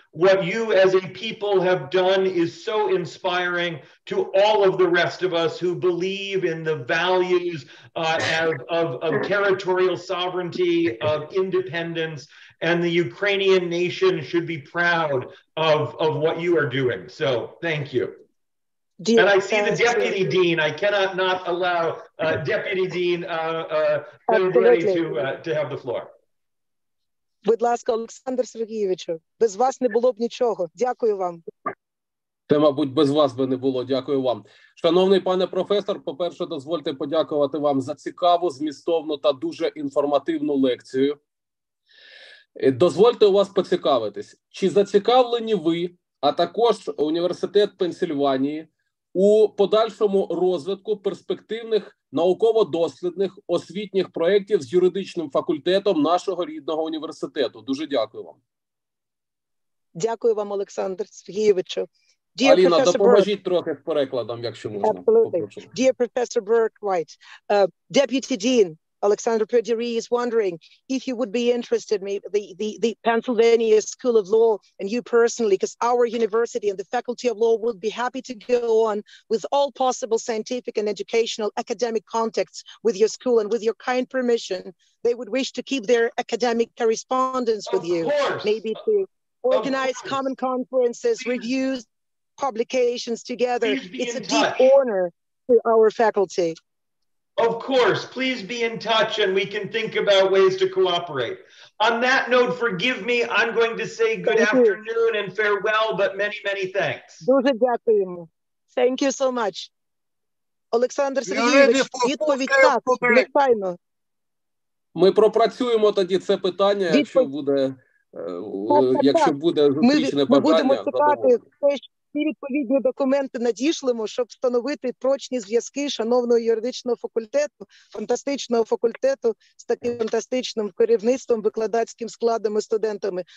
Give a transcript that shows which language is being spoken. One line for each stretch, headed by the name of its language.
English: What you as a people have done is so inspiring to all of the rest of us who believe in the values of territorial sovereignty, of independence, and the Ukrainian nation should be proud of what you are doing. So thank you. And I see the deputy dean. I cannot not allow deputy dean to have the floor.
Ukrainian: Будь ласка, Олександр Сергійовичу, без вас не було б нічого. Дякую вам. Це, мабуть, без вас би не було. Дякую вам. Шановний пане професор, по-перше, дозвольте подякувати вам за цікаву, змістовну та дуже інформативну лекцію. Дозвольте у вас поцікавитись, чи зацікавлені ви, а також університет Пенсильванії, у подальшому розвитку перспективних науково-дослідних освітніх проєктів з юридичним факультетом нашого рідного університету. Дуже дякую вам. Дякую вам, Олександр Сергійовичу. Аліна, допоможіть трохи з перекладом, якщо можна.
English: Absolutely. Dear Professor Berk-Uajta, Deputy Dean Alexander Perdiri is wondering if you would be interested, maybe the Pennsylvania School of Law and you personally, because our university and the Faculty of Law would be happy to go on with all possible scientific and educational academic contacts with your school, and with your kind permission, they would wish to keep their academic correspondence with you. Of course. Maybe to organize common conferences, reviews, publications together. Please be it's in a touch. Deep honor. to our faculty. Of course, please be in touch and we can think about ways to cooperate. On that note, forgive me, I'm going to say good afternoon and farewell, but many, many thanks.
Ukrainian: Дуже дякуємо.
English: Thank you so much.
Ukrainian: Олександр Сергійович, відповідь так, звичайно. Ми пропрацюємо тоді це питання, якщо буде, якщо буде зустрічне ми будемо чекати, ці відповідні документи надішлемо, щоб встановити прочні зв'язки шановного юридичного факультету, фантастичного факультету з таким фантастичним керівництвом, викладацьким складом і студентами.